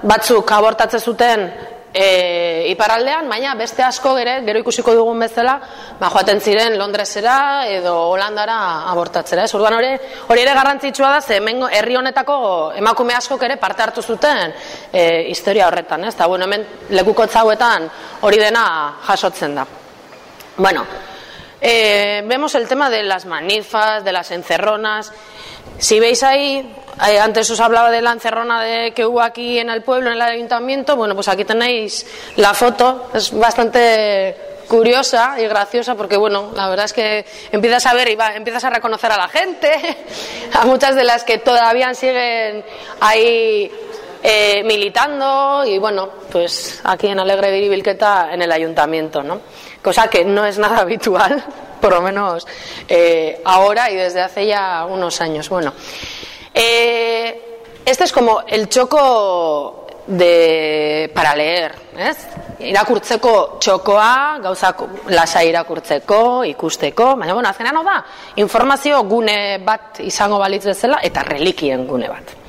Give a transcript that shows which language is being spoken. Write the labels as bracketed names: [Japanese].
[Basque] Batzuk abortatzen zuten iparraldean, baina beste asko ere, gero ikusiko dugun bezala, joaten ziren Londresera edo Holandara abortatzera. Ez? Orduan hori ere garrantzitsua da, ze hemen herri honetako emakume askok ere parte hartu zuten historia horretan. Ez? Da, bueno, hemen lekukotza hauetan hori dena jasotzen da. [Spanish] Bueno, vemos el tema de las manifas, de las encerronas. Si veis ahí, antes os hablaba de la encerrona que hubo aquí en el pueblo, en el ayuntamiento. Bueno, pues aquí tenéis la foto. Es bastante curiosa y graciosa porque, bueno, la verdad es que empiezas a ver y empiezas a reconocer a la gente, a muchas de las que todavía siguen ahí militando y, bueno, pues aquí en Alegre de Iribilqueta, en el ayuntamiento, ¿no? Cosa que no es nada habitual, por lo menos ahora y desde hace ya unos años. Bueno, este es como el choco para leer, ¿ves? [Basque] Irakurtzeko txokoa, gauzak lasai irakurtzeko, ikusteko, baina bueno, azkenean da, informazio gune bat izango balitz bezala eta relikien gune bat.